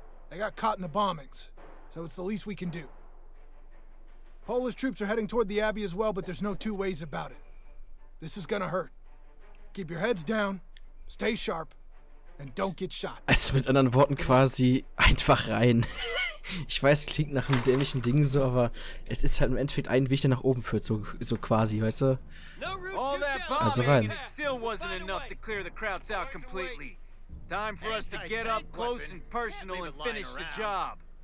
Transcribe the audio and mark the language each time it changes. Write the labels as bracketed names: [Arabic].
[English] They got caught in the bombings, so it's the least we can do. Polish troops are heading toward the abbey as well, but there's no two ways about it. This is gonna hurt. Keep your heads down, stay sharp, and don't get shot. [German] Also mit anderen Worten quasi, einfach rein. Ich weiß, klingt nach einem dämlichen Ding so, aber es ist halt im Endeffekt ein Weg, der nach oben führt, so quasi, weißt du? Also rein. [English] Still wasn't enough to clear the crowds out completely. Time for us to get up close and personal and finish the job.